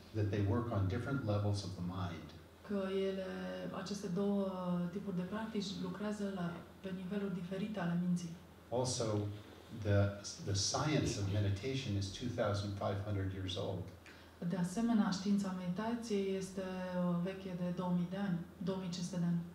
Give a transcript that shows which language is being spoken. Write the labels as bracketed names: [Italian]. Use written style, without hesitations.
[English] That they work on different levels of the mind. [Romanian] Că ele, aceste două tipuri de practici lucrează la pe niveluri diferite ale minții. [English] Also, the science of meditation is 2500 years old. [Romanian] De asemenea, știința meditației este veche de 2500 de ani.